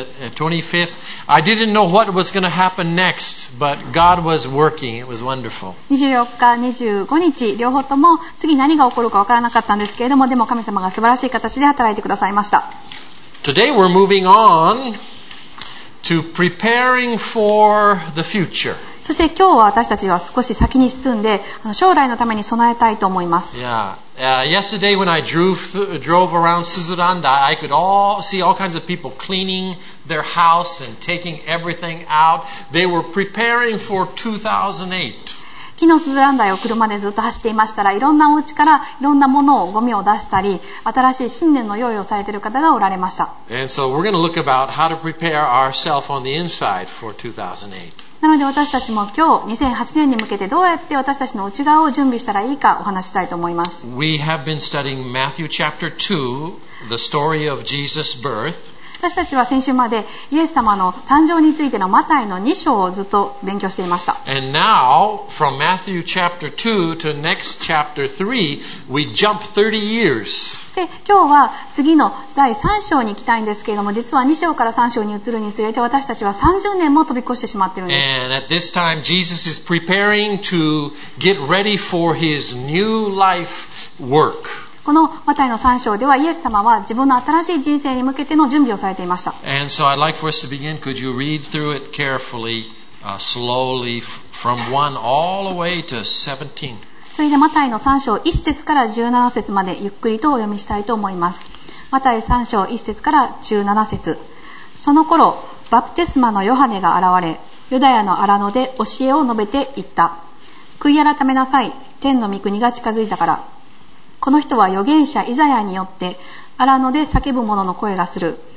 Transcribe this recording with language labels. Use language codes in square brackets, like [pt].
[en] 25th. I didn't know what was going to happen next, but God was working. It was wonderful. [ja] 24日、25日、両方とも次何が起こるかわからなかったんですけれども、でも神様が素晴らしい形で働いてくださいました。 [en] Today we're moving on to preparing for the future. [ja] そして今日は私たちは少し先に進んで将来のために備えたいと思います。 [en] Yesterday when I drove around Suzuranda, I could see all kinds of people cleaning their house and taking everything out. They were preparing for 2008. [ja] 昨日スズランダを車でずっと走っていましたら、いろんなお家からいろんなものをゴミを出したり、新しい新年の用意をされている方がおられました。 [en] And so we're going to look about how to prepare ourselves on the inside for 2008. [ja] なので私たちも今日2008年に向けてどうやって私たちの内側を準備したらいいかお話したいと思います。 [en] We have been studying Matthew chapter 2, the story of Jesus' birth. [ja] 私たちは先週までイエス様の誕生についてのマタイの2章をずっと勉強していました。 [en] And now from Matthew chapter 2 to next chapter 3 we jump 30 years. [ja] で今日は次の第3章に行きたいんですけれども、実は2章から3章に移るにつれて私たちは30年も飛び越してしまっているんです。 [en] And at this time Jesus is preparing to get ready for his new life work. [ja] このマタイの3章ではイエス様は自分の新しい人生に向けての準備をされていました。 [en] And so I'd like for us to begin. Could you read through it carefully, slowly, from 1 all the way to 17? [ja] それでマタイの3章1節から17節までゆっくりとお読みしたいと思います。マタイ3章1節から17節。その頃、バプテスマのヨハネが現れ、ユダヤの荒野で教えを述べていった。悔い改めなさい。天の御国が近づいたから。この人は預言者イザヤによって荒野で叫ぶ者の声がする。